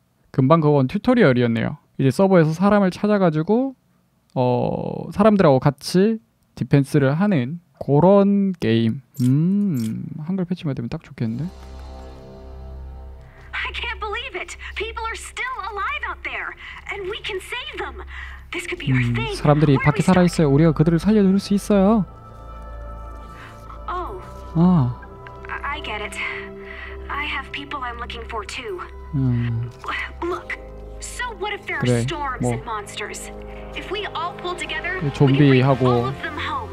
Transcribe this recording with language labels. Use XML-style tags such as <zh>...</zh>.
<ko>금방 그건 튜토리얼이었네요. 이제 서버에서 사람을 찾아가지고 사람들하고 같이 디펜스를 하는 그런 게임. 한글 패치만 되면 딱 좋겠는데.</ko> <en>I can't believe it. People are still alive out there and we can save them. This could be our thing.</en> <ko>사람들이 밖에 살아 있어요. 우리가 그들을 살려 줄 수 있어요.</ko> <en>I get it. I have people I'm looking for too. Look. So what if there are storms and monsters? If we all pull together, we can bring all of them home.</en>